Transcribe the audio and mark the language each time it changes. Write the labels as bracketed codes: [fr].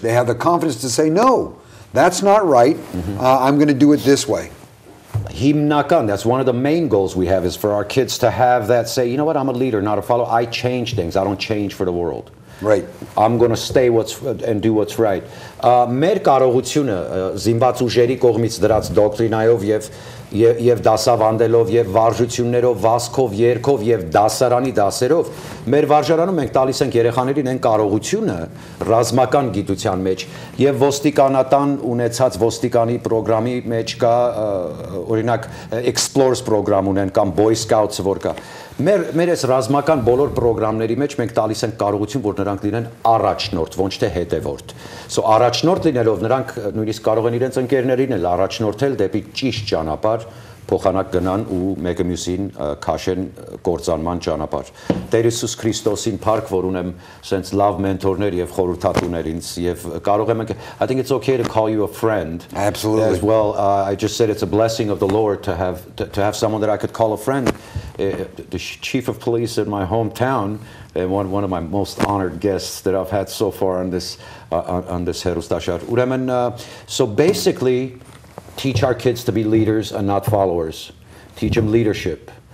[en] They have the confidence to say, no, that's not right. Mm-hmm. I'm going to do it this way. Himnakan, that's one of the main goals we have, is for our kids to have that say, you know what, I'm a leader, not a follower. I change things. I don't change for the world. Right. I'm going to stay and do what's right. [hy] Մեր կարողությունը զինված ուժերի կողմից դրած դոկտրինայով եւ դասավանդելով եւ վարժություններով, վասկով, երկով եւ դասարանի դասերով, մեր վարժարանում մենք տալիս ենք երեխաներին այն կարողությունը ռազմական գիտության մեջ եւ ոստիկանատան ունեցած ոստիկանի պրոգրամի մեջ կա, օրինակ Explorers program ունեն կամ Boy Scouts որ կա։ Մեր այս ռազմական բոլոր պրոգրամների մեջ մենք տալիս ենք կարողություն, որ նրանք լինեն առաջնորդ, ոչ թե հետևորդ։ So առաջնորդ լինելով նրանք նույնիսկ կարող են իրենց ընկերներին էլ առաջնորդել դեպի ճիշտ ճանապար, փոխանակ գնան ու մեկը մյուսին քաշեն կործանման ճանապար։ Տեր Հիսուս Քրիստոսին փառք, որ ունեմ sense love mentor-ներ եւ խորհրդատուներ ինձ, եւ կարող եմ ենք, [en] I think it's okay to call you a friend. Absolutely. As well, I just said it's a blessing of the Lord to have someone that I could call a friend. The chief of police in my hometown and one of my most honored guests that I've had so far on this on this Herustashar. Ուրեմն, so basically teach our kids to be leaders and not followers. Teach them leadership.